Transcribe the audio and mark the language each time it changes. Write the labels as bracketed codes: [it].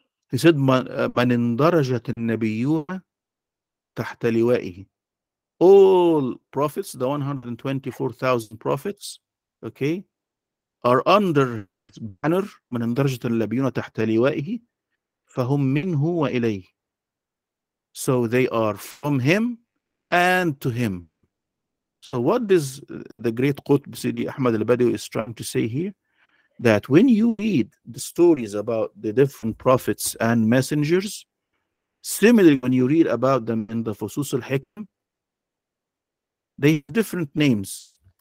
[en] He said, [ar] "من اندرجت النبيون تحت لوائه." [en] All prophets, the 124,000 prophets, okay, are under banner. [ar] من اندرجت النبيون تحت لوائه فهم منه وإليه. [en] So they are from him and to him. So what does the great Qutb Sidi Ahmad al-Badawi is trying to say here? That when you read the stories about the different prophets and messengers, similarly when you read about them in the Fusus al Hikam, they have different names.